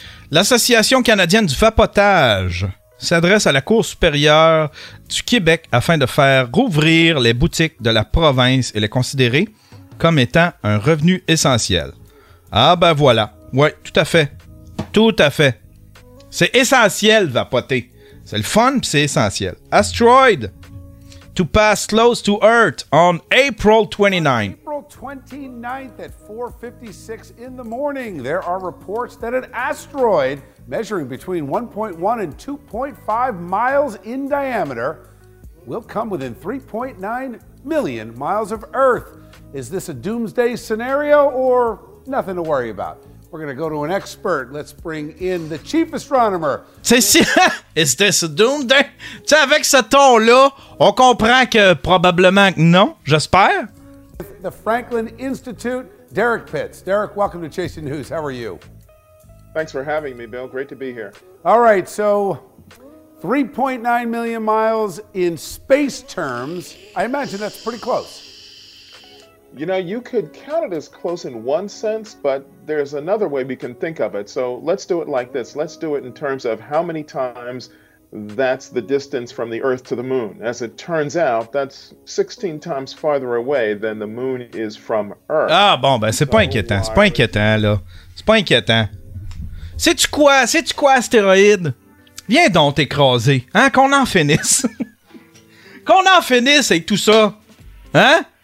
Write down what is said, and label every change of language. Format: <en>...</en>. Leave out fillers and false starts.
<fr>L'Association canadienne du vapotage s'adresse à la Cour supérieure du Québec afin de faire rouvrir les boutiques de la province et les considérer comme étant un revenu essentiel. Ah ben voilà. Ouais, tout à fait. Tout à fait. C'est essentiel, vapoter. C'est le fun, puis c'est essentiel.</fr> <en>Asteroid to pass close to Earth on April 29th. April 29th at 4:56 in the morning, there are reports that an asteroid measuring between 1.1 and 2.5 miles in diameter will come within 3.9 million miles of Earth. Is this a doomsday scenario or nothing to worry about? We're going to go to an expert. Let's bring in the chief astronomer. Is this a doomsday?</en> <fr>Tu sais, avec ce ton-là, on comprend que probablement non, j'espère.</fr> <en>The Franklin Institute, Derek Pitts. Derek, welcome to Chasing News. How are you? Thanks for having me, Bill. Great to be here. All right, so 3.9 million miles in space terms. I imagine that's pretty close. You know, you could count it as close in one sense, but there's another way we can think of it. So let's do it like this. Let's do it in terms of how many times that's the distance from the Earth to the Moon. As it turns out, that's 16 times farther away than the Moon is from Earth.</en> <fr>Ah, bon, ben, c'est pas inquiétant. C'est pas inquiétant, là. C'est pas inquiétant. Sais-tu quoi? Sais-tu quoi, astéroïde? Viens donc t'écraser, hein? Qu'on en finisse. Qu'on en finisse avec tout ça. Hein?</fr>